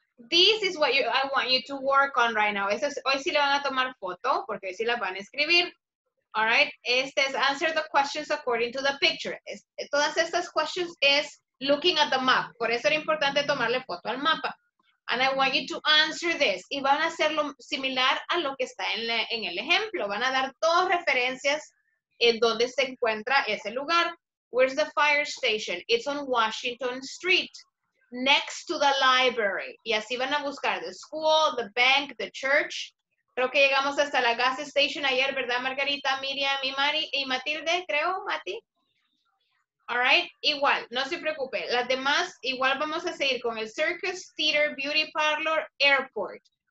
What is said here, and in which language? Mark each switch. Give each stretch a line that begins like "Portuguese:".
English: This is what I want you to work on right now.
Spanish: Hoy sí le van a tomar foto, porque hoy sí las van a escribir.
English: All right,
Spanish: este es
English: answer the questions according to the picture.
Spanish: Todas estas
English: questions is looking at the map.
Spanish: Por eso era importante tomarle foto al mapa.
English: And I want you to answer this.
Spanish: Y van a hacerlo similar a lo que está en el ejemplo. Van a dar dos referencias en donde se encuentra ese lugar.
English: Where's the fire station? It's on Washington Street, next to the library.
Spanish: Y así van a buscar
English: the school, the bank, the church.
Spanish: Creo que llegamos hasta la gas station ayer, ¿verdad, Margarita, Miriam y Mari y Matilde? Creo, Mati.
English: All right,
Spanish: igual, no se preocupe. Las demás, igual vamos a seguir con el Circus, Theater, Beauty Parlor, Airport.